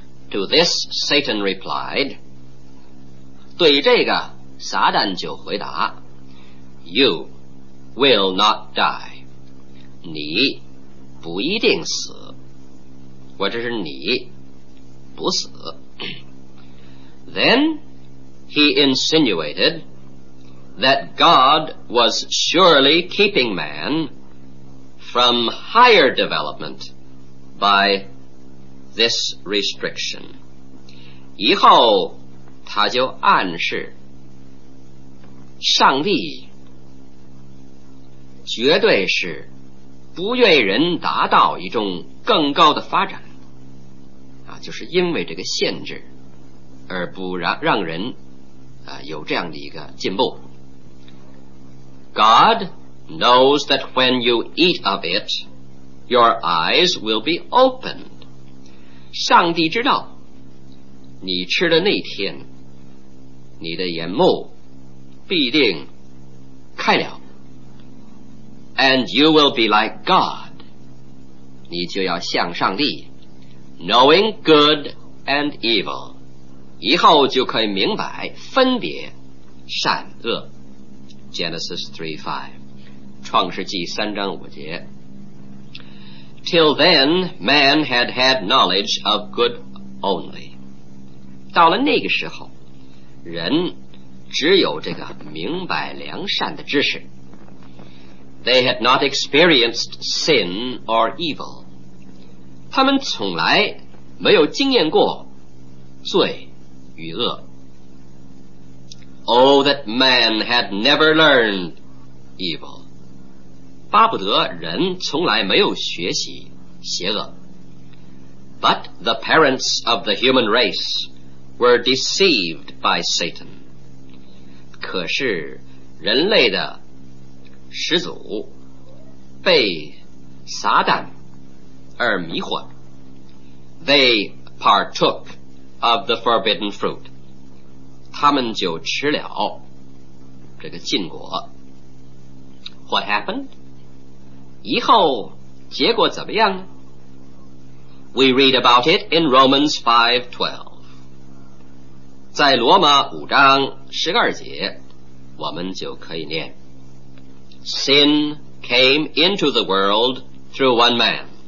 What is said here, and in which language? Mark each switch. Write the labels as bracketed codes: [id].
[en] To this Satan replied [zh] 对这个撒旦就回答 [en] You will not die [zh] 你不一定死或者是你不死 [en] Then he insinuated that God was surely keeping manfrom higher development by this restriction. [zh] 以后他就暗示上帝绝对是不愿人达到一种更高的发展啊，就是因为这个限制而不 让人啊有这样的一个进步。 [en] Godknows that when you eat of it, your eyes will be opened. [zh] 上帝知道你吃的那天你的眼目必定开了。 [en] And you will be like God. [zh] 你就要像上帝 [en] knowing good and evil. [zh] 以后就可以明白分别善恶。 [en] Genesis 3:5 [zh] 创世纪三章五节 [en] Till then man had had knowledge of good only [zh] 到了那个时候人只有这个明白良善的知识 [en] They had not experienced sin or evil. [zh] 他们从来没有经验过罪与恶。 [en] Oh, that man had never learned evil. [zh] 巴不得人从来没有学习邪恶。 [en] But the parents of the human race were deceived by Satan. [zh] 可是人类的始祖被撒旦而迷惑。 [en] They partook of the forbidden fruit. [zh] 他们就吃了这个禁果。 [en] What happened? [zh] 以后结果怎么样呢？ [en] We read about it in Romans 5:12. [zh] 在罗马五章十二节，我们就可以念 [en] ：Sin came into the world through one man.